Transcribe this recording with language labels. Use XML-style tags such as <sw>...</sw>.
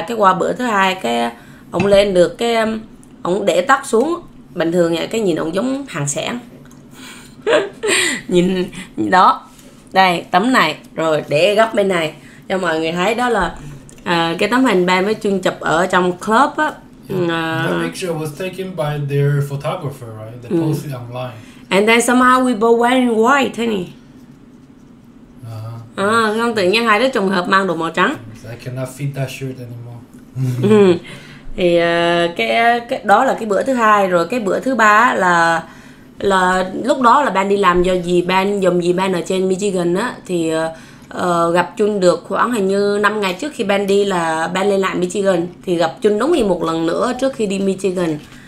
<vi>Cái qua bữa thứ hai cái ổng lên được cái ổng để tóc xuống bình thường vậy, cái nhìn ổng giống hàng xẻng. Nhìn đó, đây tấm này rồi để góc bên này cho mọi người thấy, đó là cái tấm hình ba với Chun chụp ở trong club á.</vi> <en>The picture was taken by their photographer, right? They posted it online. And then somehow we both wearing white, honey.</en> <vi>Không, tự nhiên hai đứa trùng hợp mang đồ màu trắng.</vi> <en>I cannot fit that shirt anymore.</en> <vi>Thì cái đó là cái bữa thứ hai, rồi cái bữa thứ ba là lúc đó là Ben đi làm do gì Ben dùng gì Ben ở trên Michigan á, thì gặp Jun được khoảng hình như 5 ngày trước khi Ben đi, là Ben lên lại Michigan thì gặp Jun đúng như một lần nữa trước khi đi Michigan.</vi>